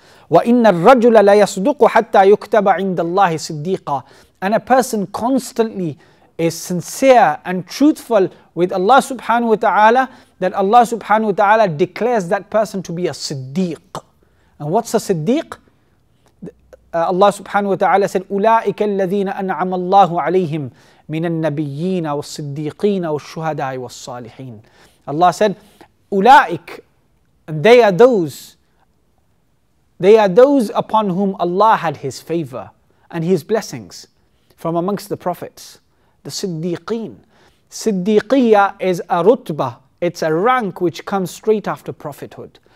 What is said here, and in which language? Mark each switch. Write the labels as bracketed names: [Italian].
[Arabic] وَإِنَّ الرَّجُلَ لَيَصْدُقُ حَتَّى يُكْتَبَ عِنْدَ اللَّهِ صِدِّيقًا. [English] And a person constantly is sincere and truthful with Allah subhanahu wa ta'ala, that Allah subhanahu wa ta'ala declares that person to be a siddiq. And what's a siddiq? Allah subhanahu wa ta'ala said, [Arabic] أُولَٰئِكَ الَّذِينَ أَنْعَمَ اللَّهُ عَلَيْهِمْ مِنَ النَّبِيِّينَ وَالصِّدِّيقِينَ وَالشُّهَدَاءِ وَالصَّالِحِينَ. [English] Allah said, أُولَٰئِك, and they are those upon whom Allah had His favor and His blessings from amongst the prophets, the Siddiqeen. Siddiqiyya is a rutba, it's a rank which comes straight after prophethood.